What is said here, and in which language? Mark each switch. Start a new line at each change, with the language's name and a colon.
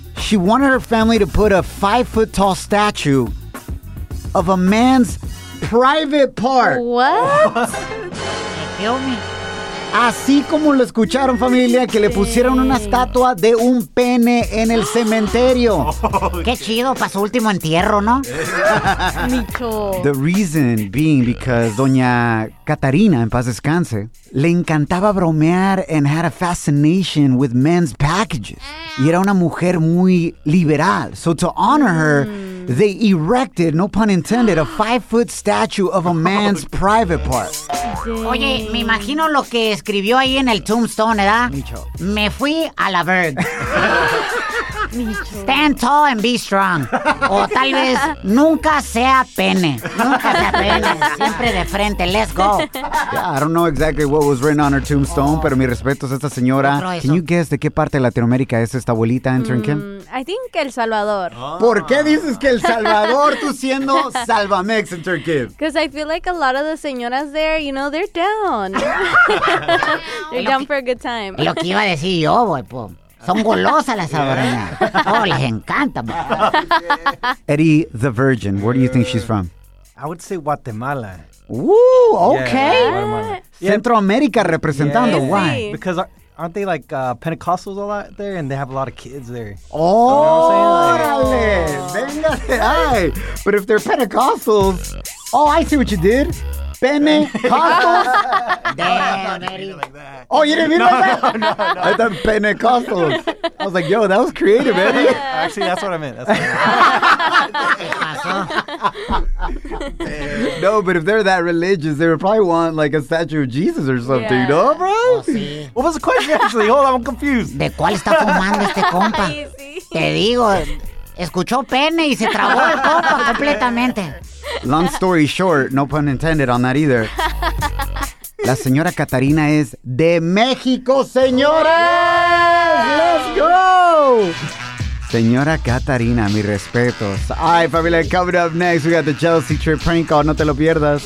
English: She wanted her family to put a 5-foot-tall statue of a man's private part. What?
Spanish: Así como lo escucharon, familia, que le pusieron una estatua de un pene en el cementerio. Qué chido, para su último entierro, ¿no? Micho.
English: The reason being because Doña Catarina,
Spanish: en paz descanse, le encantaba bromear
English: and had a fascination with men's packages.
Spanish: Y era una mujer muy liberal.
English: So to honor her, they erected, no pun intended, a 5-foot statue of a man's private part. Dang.
Spanish: Oye, me imagino lo que escribió ahí en el tombstone, ¿verdad? Micho. Me fui a la verga.
English: Stand tall and be strong.
Spanish: O tal vez nunca sea pene. Nunca sea pene. Siempre de frente.
English: Let's go. Yeah, I don't know exactly what was written on her tombstone,
Spanish: pero mi respeto es esta señora.
English: Can you guess
Spanish: de qué parte de Latinoamérica es esta abuelita entering Kim?
English: I think El Salvador. Oh.
Spanish: ¿Por qué dices que El Salvador, tú siendo Salvamex entering Kim?
English: Because I feel like a lot of the señoras there, you know, they're down. They're down for a good time.
Spanish: Lo que iba a decir yo, boy, po. Son golosas las salvadoreñas. Oh, les encanta.
English: Eddie, the Virgin, where do you think she's from? I would say Guatemala. Ooh, okay. Yeah, yeah.
Spanish: Centroamérica representando.
English: Yeah. Why? Because aren't they like Pentecostals a lot there? And they have a lot of kids there.
Spanish: Órale. Venga, ay.
English: But if they're Pentecostals. Oh, I see what you did. Pene, costos. Damn, oh, you didn't mean like that? No. I thought pene costos. I was like, yo, that was creative, Eddie. Yeah. Actually, that's what I meant. That's what I meant. No, but if they're that religious, they would probably want like a statue of Jesus or something, yeah. No, bro?
Spanish: Oh, sí.
English: What was the question, actually? Hold on, I'm confused.
Spanish: ¿De cuál está fumando este compa? Te digo, escuchó pene y se trabó el compa completamente.
English: Long story short, no pun intended on that either.
Spanish: La señora Catarina es de México, señores.
English: Yeah. Let's go.
Spanish: Señora Catarina, mi respeto.
English: All right, familia, coming up next, we got the Jealousy Trip prank call.
Spanish: No te lo pierdas.